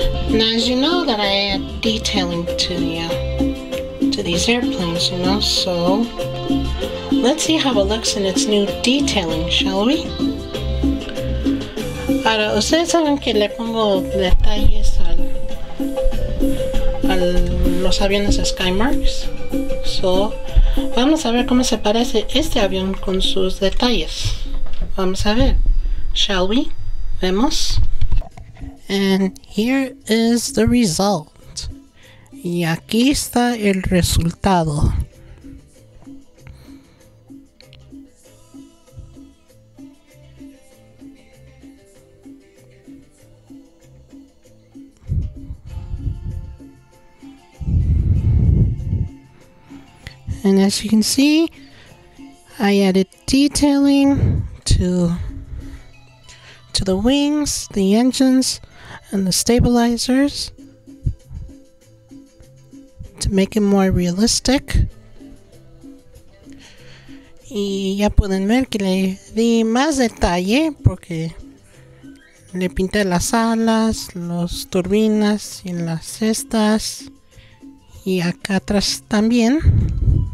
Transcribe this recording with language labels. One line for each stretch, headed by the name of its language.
English: Now, as you know, that I add detailing to these airplanes, you know, so let's see how it looks in its new detailing, shall we?
Spanish: Ahora, ustedes saben que le pongo detalles a los aviones SkyMarks, so vamos a ver cómo se parece este avión con sus detalles. Vamos a ver,
English: shall we?
Spanish: Vemos.
English: And here is the result.
Spanish: Y aquí está el resultado.
English: And as you can see, I added detailing to the wings, the engines, and the stabilizers to make it more realistic.
Spanish: Y ya pueden ver que le di más detalle porque le pinté las alas, las turbinas y las cestas, y acá atrás también.